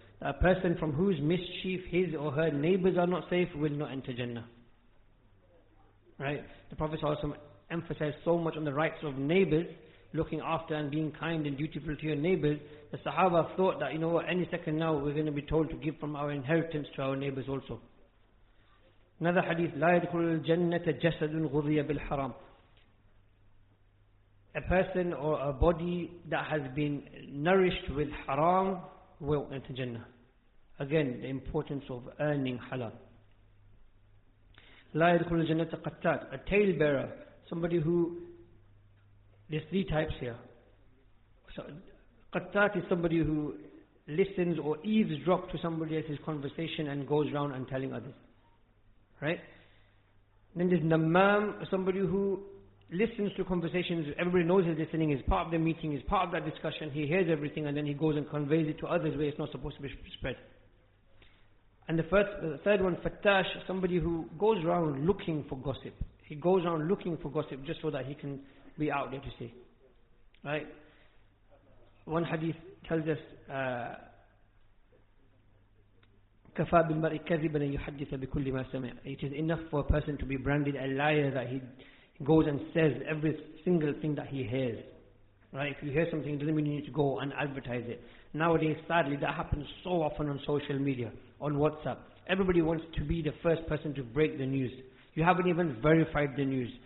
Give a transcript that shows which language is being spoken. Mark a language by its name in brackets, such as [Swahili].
[English] A person from whose mischief his or her neighbors are not safe will not enter Jannah. Right? The Prophet also emphasized so much on the rights of neighbors, looking after and being kind and dutiful to your neighbors. The Sahaba thought that, you know what, any second now we're going to be told to give from our inheritance to our neighbors also. Another hadith, [Arabic] لَا يَدْخُلُ الْجَنَّةَ جَسَدٌ غُضِيَ بِالْحَرَامِ. [English] A person or a body that has been nourished with haram will enter Jannah. Again, the importance of earning halal. [Arabic] لا يدخل الجنة قتات. [English] A tale bearer, somebody who, there's three types here. So, قتات is somebody who listens or eavesdrops to somebody else's conversation and goes around and telling others. Right? Then there's نمام, somebody who listens to conversations, everybody knows he's listening, he's part of the meeting, he's part of that discussion, he hears everything and then he goes and conveys it to others where it's not supposed to be spread. And the third one, fattash, somebody who goes around looking for gossip. He goes around looking for gossip just so that he can be out there to see. Right? One hadith tells us, [Arabic] كفى بالمرء كذبا يحدث بكل ما سمع. [English] It is enough for a person to be branded a liar that he goes and says every single thing that he hears. Right? If you hear something, it doesn't mean you need to go and advertise it. Nowadays, sadly, that happens so often on social media, on WhatsApp. Everybody wants to be the first person to break the news. You haven't even verified the news.